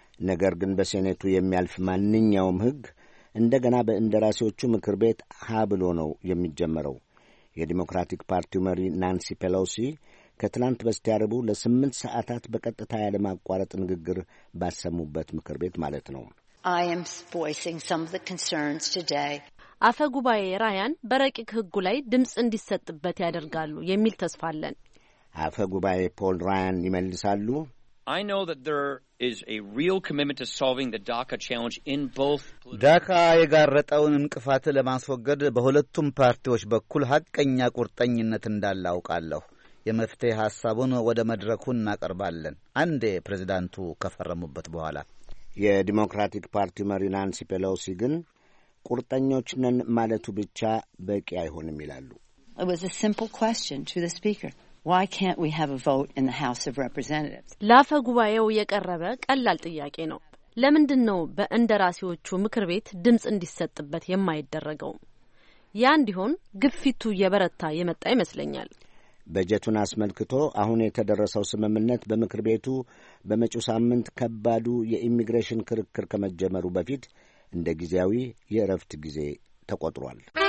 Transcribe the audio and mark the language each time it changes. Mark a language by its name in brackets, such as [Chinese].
[Amharic] ነገር ግን በሴኔቱ የሚያልፍ ማንኛውም ህግ እንደገና በእንደራሴዎቹ ምክር ቤት ሀብሎ ነው የሚጀመረው። የዲሞክራቲክ ፓርቲው መሪ ናንሲ ፔሎሲ ከትላንት በስቲያ ረቡዕ ለስምንት ሰዓታት በቀጥታ ያለማቋረጥ ንግግር ባሰሙበት ምክር ቤት ማለት ነው። አፈ ጉባኤ ራያን በረቂቅ ህጉ ላይ ድምፅ እንዲሰጥበት ያደርጋሉ የሚል ተስፋ አለን። አፈ ጉባኤ ፖል ራያን ይመልሳሉ። [English] I know that there is a real commitment to solving the DACA challenge in both [Amharic] DACA የጋረጠውን እንቅፋት ለማስወገድ በሁለቱም ፓርቲዎች በኩል ሀቀኛ ቁርጠኝነት እንዳላውቃለሁ። የመፍትሄ ሐሳቡን ወደ መድረኩ እናቀርባለን አንዴ ፕሬዝዳንቱ ከፈረሙበት በኋላ። የዲሞክራቲክ ፓርቲ መሪ ናንሲ ፔሎሲ ግን ቁርጠኞች ነን ማለቱ ብቻ በቂ አይሆንም ይላሉ። [English] It was a simple question to the speaker. Why can't we have a vote in the House of Representatives? [Amharic] ላፈ ጉባኤው የቀረበ ቀላል ጥያቄ ነው። ለምንድነው በእንደራሴዎቹ ምክር ቤት ድምጽ እንዲሰጥበት የማይደረገው? ያ እንዲሆን ግፊቱ የበረታ የመጣ ይመስለኛል። በጀቱን አስመልክቶ አሁን የተደረሰው ስምምነት በምክር ቤቱ በመጪው ሳምንት ከባዱ የኢሚግሬሽን ክርክር ከመጀመሩ በፊት እንደ ጊዜያዊ የረፍት ጊዜ ተቆጥሯል።